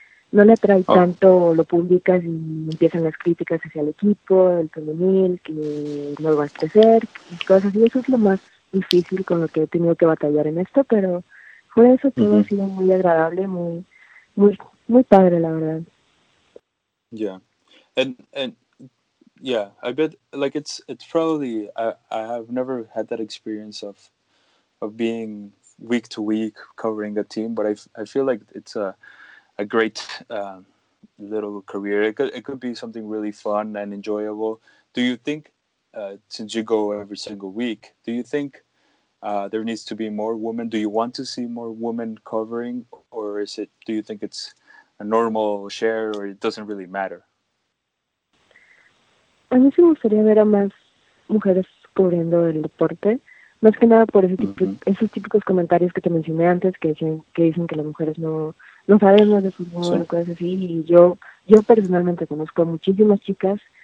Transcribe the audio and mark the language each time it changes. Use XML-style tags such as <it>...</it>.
<es>no le atrae tanto, lo publicas y empiezan las críticas hacia el equipo, el femenil, que no lo va a crecer, cosas así. Eso es lo más difícil con lo que he tenido que batallar en esto, pero por eso todo ha sido muy agradable, muy, muy, muy padre, la verdad.</es> <en>Yeah, and yeah, I bet, like, it's probably, I have never had that experience of being week to week covering a team, but I feel like it's a great little career. It could be something really fun and enjoyable. Do you think, since you go every single week, do you think there needs to be more women? Do you want to see more women covering, or is it? Do you think it's a normal share, or it doesn't really matter?</en> <es>A mí sí me gustaría ver a más mujeres cubriendo el deporte. Más que nada por esos típicos comentarios que te mencioné antes, que dicen que las mujeres no sabemos de fútbol, cosas así, y yo personalmente conozco a muchísimas chicas</es>